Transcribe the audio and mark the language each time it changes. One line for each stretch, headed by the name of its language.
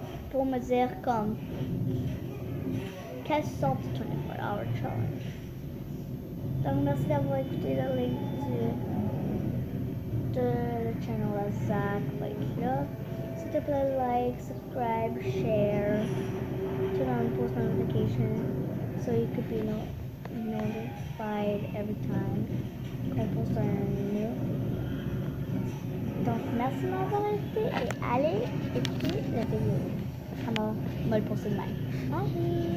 French: Pour me dire comme. Quelle sorte de 24 hour challenge. Donc merci d'avoir écouté le link de la channel Zach Richard. S'il te plaît,
English: like, subscribe, share. Turn on post notification so you could be notified every time I post on a new.
French: Donc merci d'avoir écouté et allez écouter la vidéo. Alors, on va le poster demain. Bye.